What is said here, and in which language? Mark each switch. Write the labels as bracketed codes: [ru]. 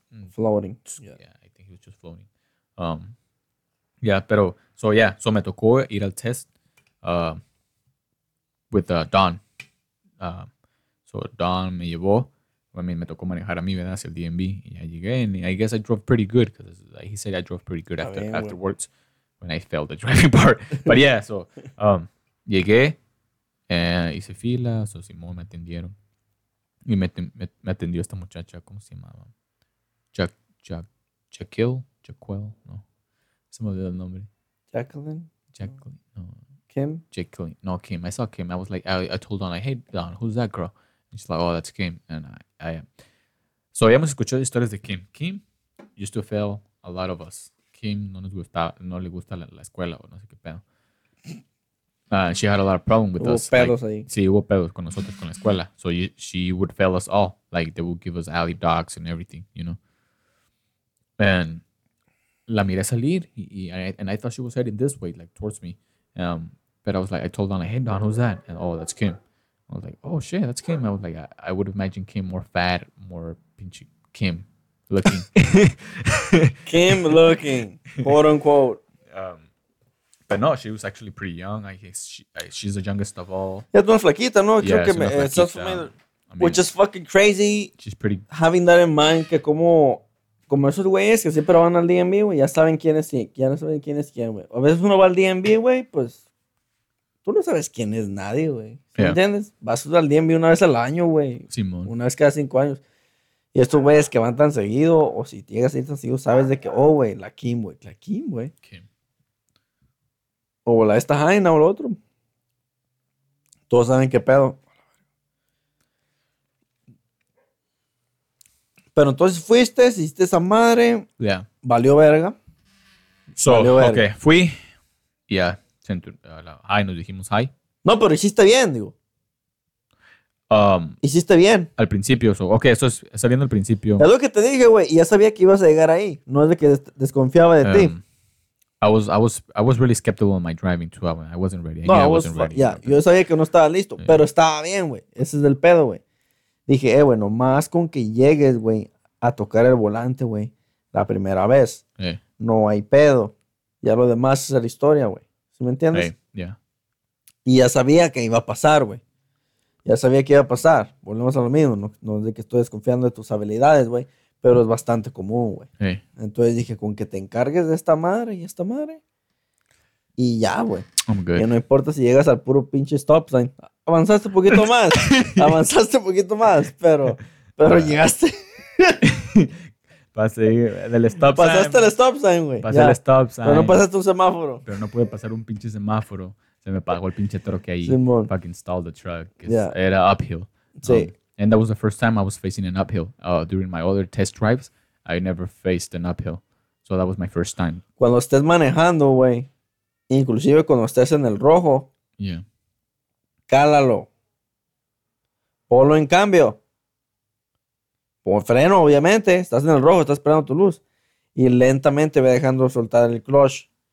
[en] Floating. Yeah, I think he was just floating. Yeah, [es] pero. [en] So, yeah, so [es] me tocó ir al test [en] with Don. [es] So, Don me llevó. [en] I mean, [es] me tocó manejar a mí, ¿verdad? Hacia el DMV. Y ahí llegué. [en] And I guess I drove pretty good. Because like, he said I drove pretty good afterwards when I failed the driving part. But yeah, so [es] llegué. Hice fila. So Simón me atendieron. Y me atendió esta muchacha. ¿Cómo se llamaba? Jaquel. No. Se me olvidó el nombre. Jacqueline. No. Kim. [en] Jacqueline. No, Kim. I saw Kim. I was like, I told Don, like, hey, Don, who's that girl? She's like, oh, that's Kim. And I am. So, [es] habíamos escuchado historias de Kim. [en] Kim used to fail a lot of us. [es] Kim no nos gustaba, no le gusta la escuela o no sé qué pedo. [en] She had a lot of problems with [es] hubo [en] us. [es] Hubo pedos [en] like, [es] ahí. Sí, hubo pedos con nosotros con la escuela. [en] So, she would fail us all. Like, they would give us alley dogs and everything, you know. And [es] la miré salir. [en] And I thought she was heading this way, like, towards me. But I was like, I told Donna, hey, Don, who's that? And, oh, that's Kim. I was like, oh, shit, that's Kim. I was like, I would imagine Kim more fat, more pinchy Kim looking. Kim looking, quote unquote. But no, she was actually pretty young. I guess she's the youngest of all. [es] Yeah, una flaquita, ¿no? Yeah, creo que me, flaquita. Estás familiar, [en] I mean, which is fucking crazy. She's pretty. [es] Having that in mind, que como esos güeyes que siempre van al DMV, güey, ya saben quién es quién. Ya no saben quién es quién, güey. A veces uno va al DMV, güey, pues... Tú no sabes quién es nadie, güey. ¿Sí yeah. ¿Entiendes? Vas al DMV una vez al año, güey. Simón. Una vez cada 5 años. Y estos güeyes que van tan seguido, o si llegas a ir tan seguido, sabes de que, oh, güey, la Kim, güey. La Kim, güey. Kim. O la esta Jaina o el otro. Todos saben qué pedo. Pero entonces fuiste, hiciste esa madre. Yeah. Valió verga. So, valió verga. Okay, fui. Yeah. Hi, nos dijimos hi. No, pero hiciste bien, digo. Hiciste bien. Al principio, so, ok, eso es saliendo al principio. Es lo que te dije, güey, y ya sabía que ibas a llegar ahí. No es de que desconfiaba de ti. [en] I was really skeptical of my driving too. I wasn't ready. [es] Yo sabía que no estaba listo, yeah. Pero estaba bien, güey. Ese es el pedo, güey. Dije, bueno, más con que llegues, güey, a tocar el volante, güey, la primera vez. Yeah. No hay pedo. Ya lo demás es la historia, güey. ¿Me entiendes? Hey, yeah. Y ya sabía que iba a pasar, güey. Ya sabía que iba a pasar. Volvemos a lo mismo. No es de que estoy desconfiando de tus habilidades, güey. Pero es bastante común, güey. Hey. Entonces dije, con que te encargues de esta madre y esta madre. Y ya, güey. [en] I'm good. [es] Que no importa si llegas al puro pinche stop sign. Avanzaste un poquito más. Avanzaste un poquito más. Pero llegaste. Pasé del stop pasaste Pasaste el stop sign, güey. Pasé ya. El stop sign. Pero no pasaste un semáforo. Pero no pude pasar un pinche semáforo. Se me apagó el pinche troque ahí. Simón. [en] Fucking stalled the truck. Yeah. [es] Era [en] uphill. [es] Sí. [en] And that was the first time I was facing an uphill. During my other test drives, I never faced an uphill. So that was my first time. [es] Cuando estés manejando, güey, inclusive cuando estés en el rojo, yeah. Cálalo. Ponlo en cambio. Pon freno, obviamente. Estás en el rojo, estás esperando tu luz. Y lentamente va dejando soltar el clutch.